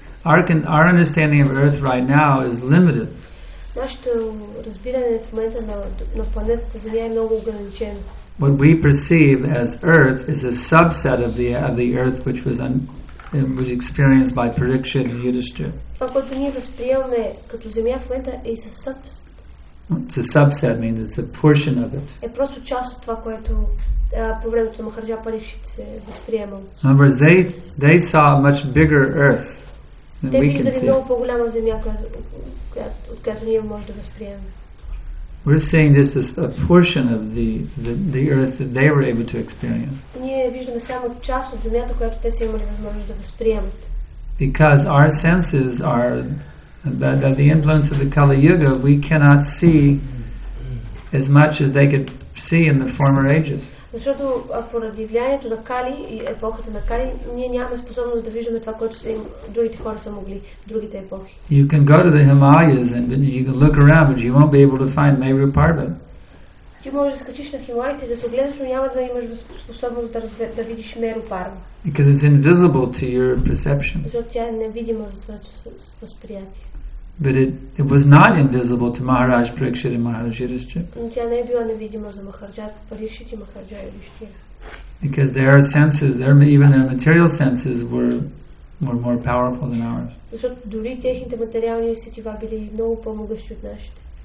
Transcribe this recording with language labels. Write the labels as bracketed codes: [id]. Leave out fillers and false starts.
[en] Our understanding of Earth right now is limited. [bg] Нашето разбиране в момента на планетата Земя е много ограничено. [en] What we perceive as Earth is a subset of the Earth which was was experienced by Pariksit and Yudhishthira. [bg] Това, което ние възприемаме като Земя в момента, е с subset. [en] It's a subset means it's a portion of it. [bg] Е просто част от това, което по времето на Махараджа Парикшит се възприемало. [en] However, they saw a much bigger earth than [bg] те [en] we can see. [bg] Те виждали много по-голяма земя, от която ние можем да възприемем. [en] We're seeing just a portion of the earth that they were able to experience. [bg] Ние виждаме само част от земята, която те са имали възможност да възприемат. [en] Because our senses are that the influence of the Kali Yuga, we cannot see as much as they could see in the former ages. [bg] Защото поради влиянието на Кали и епохата на Кали, ние нямаме способност да виждаме това, което другите хора са могли, другите епохи. [en] You can go to the Himalayas and you can look around, but you won't be able to find Meru Parvat. [bg] Ти можеш да скачиш на Хималаите и да се огледаш, но няма да имаш способност да видиш Меру Парва. [en] Because it's invisible to your perception. [bg] Защото тя е невидима за твоето възприятие. [en] But it was not invisible to Maharaj Pariksit and Maharaj Yudhishthira. [bg] Но тя не е била невидима за Махарджат Парикшит и Махарджа Юдхиштхира. [en] Because their senses, even their material senses were more powerful than ours. [bg] Защото дори техните материални сетива били много по-могъщи от нашите.